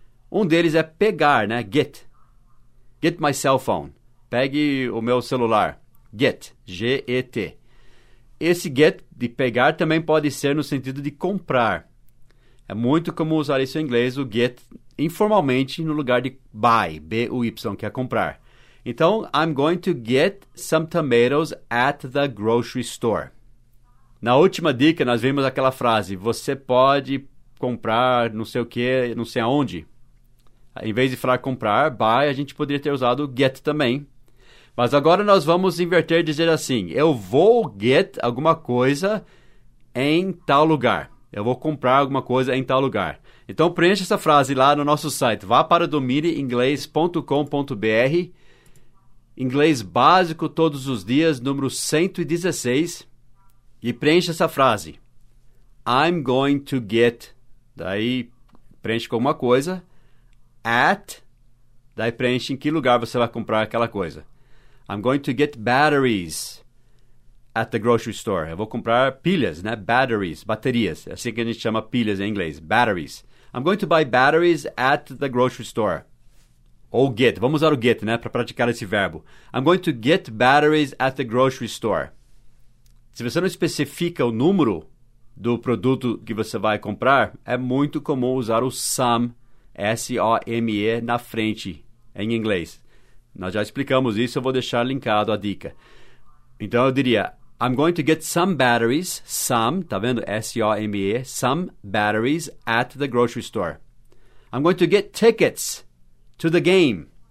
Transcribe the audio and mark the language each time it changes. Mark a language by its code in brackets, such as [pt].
[pt] Um deles é pegar, né? Get. [en] Get my cell phone. [pt] Pegue o meu celular. Get. G-E-T. Esse get de pegar também pode ser no sentido de comprar. É muito comum usar isso em inglês, o get, informalmente, no lugar de buy. B-U-Y, que é comprar. Então, [en] I'm going to get some tomatoes at the grocery store. [pt] Na última dica, nós vimos aquela frase. Você pode comprar não sei o que, não sei aonde. Em vez de falar comprar, buy, a gente poderia ter usado get também. Mas agora nós vamos inverter e dizer assim, eu vou get alguma coisa em tal lugar. Eu vou comprar alguma coisa em tal lugar. Então, preencha essa frase lá no nosso site. Vá para dominiinglês.com.br. Inglês básico todos os dias, número 116. E preencha essa frase. [en] I'm going to get. [pt] Daí, preenche com alguma coisa. At. Daí, preenche em que lugar você vai comprar aquela coisa. [en] I'm going to get batteries. at the grocery store. [pt] Eu vou comprar pilhas, né? Batteries, baterias. É assim que a gente chama pilhas em inglês. [en] Batteries. I'm going to buy batteries at the grocery store. [pt] Ou [en] get. [pt] Vamos usar o get, né? Para praticar esse verbo. [en] I'm going to get batteries at the grocery store. [pt] Se você não especifica o número do produto que você vai comprar, é muito comum usar o some, S-O-M-E, na frente, em inglês. Nós já explicamos isso, eu vou deixar linkado a dica. Então, eu diria, [en] I'm going to get some batteries, some, [pt] tá vendo? [en] S-O-M-E, some batteries at the grocery store. I'm going to get tickets to the game.